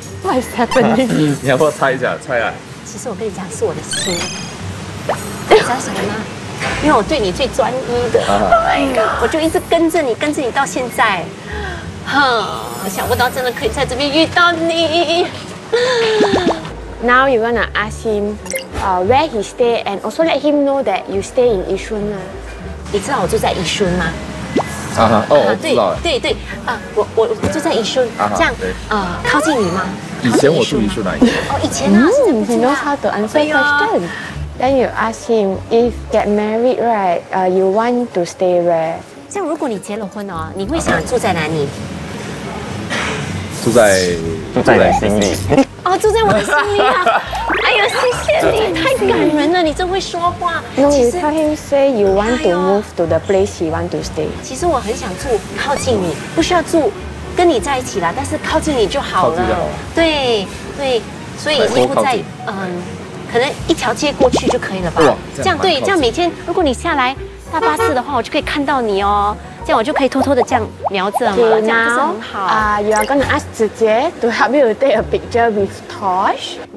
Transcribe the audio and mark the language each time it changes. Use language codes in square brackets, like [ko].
[en] ？What is happening？ [zh] 你要不要猜一下？猜啊。其实我跟你讲，是我的心。你知道什么吗？因为我对你最专一的。 [en] Oh my god！ [zh] 我就一直跟着你，跟着你到现在。哼，我想不到真的可以在这边遇到你。 [en] Now you wanna ask him, where he stay, and also let him know that you stay in Yishun. [zh] 你知道我住在宜春吗？啊哈，哦，我知道了。对对，我住在宜春。啊哈，这样，靠近你吗？以前我住宜春哪一边？哦，以前啊，是不知道。 [en] He knows how to answer question. Then you ask him if get married, right? You want to stay where? [zh] 这样，如果你结了婚哦，你会想住在哪里？住在你心里。哦，住在我的心里啊！哎呦，谢谢你，太感人了，你真会说话。 [en] No, you tell him say you want to move to the place you want to stay. [zh] 其实我很想住靠近你，不需要住跟你在一起啦，但是靠近你就好了。对对，所以已经不在可能一条街过去就可以了吧？这样对，这样每天如果你下来大巴士的话，我就可以看到你哦。这样我就可以偷偷的这样瞄着嘛，这样不是很好啊 [en] ？You are gonna ask 姐姐 to help you take a picture with Tosh。